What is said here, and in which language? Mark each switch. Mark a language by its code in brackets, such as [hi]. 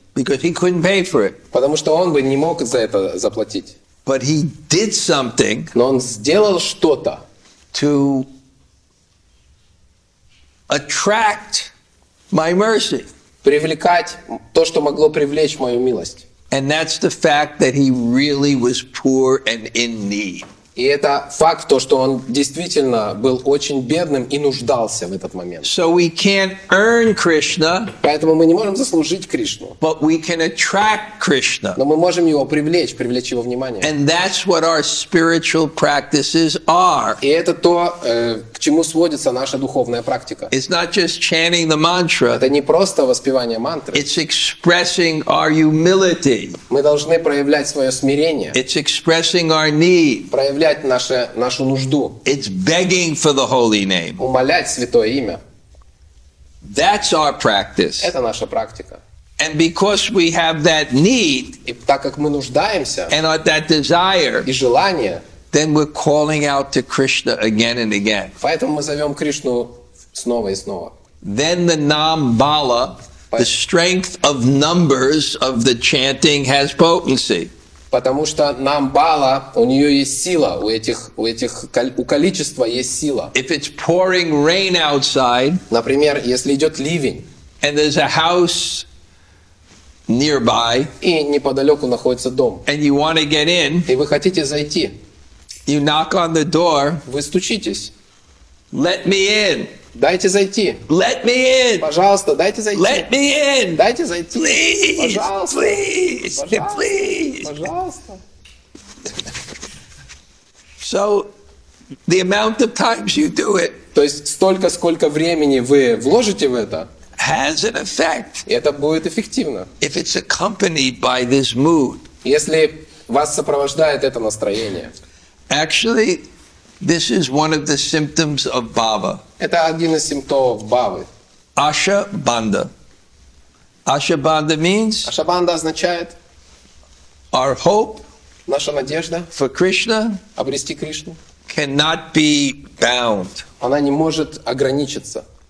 [en] Because he couldn't pay for it. [ru] Потому что он бы не мог за это заплатить. [en] But he did something. [ru] Но он сделал что-то. [en] To attract my mercy. [ru] Привлекать то, что могло привлечь мою милость. [en] And that's the fact that he really was poor and in need. [ru] И это факт, то, что он действительно был очень бедным и нуждался в этот момент. [en] So we can't earn Krishna, [ru] поэтому мы не можем заслужить Кришну. [en] But we can attract Krishna. [ru] Но мы можем его привлечь, привлечь его внимание. [en] And that's what our spiritual practices are. [ru] И это то, к чему сводится наша духовная практика. [en] It's not just chanting the mantra. [ru] Это не просто воспевание мантры. [en] It's expressing our humility. [ru] Мы должны проявлять свое смирение. [en] It's expressing our need. [ru] Нашу нужду. [en] It's begging for the holy name. [ru] Умолять святое имя. [en] That's our practice. [ru] Это наша практика. [en] And because we have that need, [ru] и так как мы нуждаемся, [en] and that desire, [ru] и желание, [en] then we're calling out to Krishna again and again. [ru] Поэтому мы зовем Кришну снова и снова. [en] Then the nam bala, the strength of numbers of the chanting has potency. [ru] Потому что нам бала, у нее есть сила, у количества есть сила. [en] If it's pouring rain outside, [ru] например, если идет ливень, [en] and there's a house nearby, [ru] и неподалеку находится дом, [en] and you want to get in, [ru] и вы хотите зайти, [en] you knock on the door, [ru] вы стучитесь, [en] let me in. [ru] Дайте зайти. [en] Let me in. [ru] Пожалуйста, дайте зайти. [en] Let me in. [ru] Дайте зайти. [en] Please. [ru] Пожалуйста. [en] Please. [ru] Пожалуйста. [en] Please. [ru] Пожалуйста. [en] So, the amount of times you do it. [ru] То есть столько, сколько времени вы вложите в это. [en] Has an effect. [ru] Это будет эффективно. [en] If it's accompanied by this mood. [ru] Если вас сопровождает это настроение. [en] Actually, this is one of the symptoms of bhava. [ru] Это один из симптомов бхавы. [en] Asha bandha. Asha bandha means. [ru] Asha bandha означает. [en] Our hope. [ru] Наша надежда. [en] For Krishna. [ru] Обрести Кришну. [en] Cannot be bound. [ru] Она не может ограничиться.